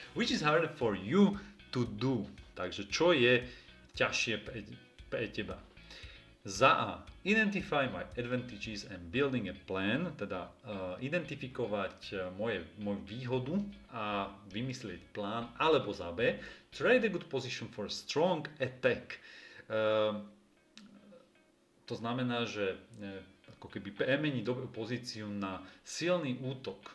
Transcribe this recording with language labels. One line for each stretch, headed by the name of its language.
English: Which is harder for you to do?
Slovak: Takže čo je ťažšie pre teba? Za A.
English: Identify my advantages and building a plan.
Slovak: Teda identifikovať moju výhodu a vymyslieť plán. Alebo za B.
English: Trade a good position for a strong attack.
Slovak: To znamená, že ako keby premeniť dobrú pozíciu na silný útok.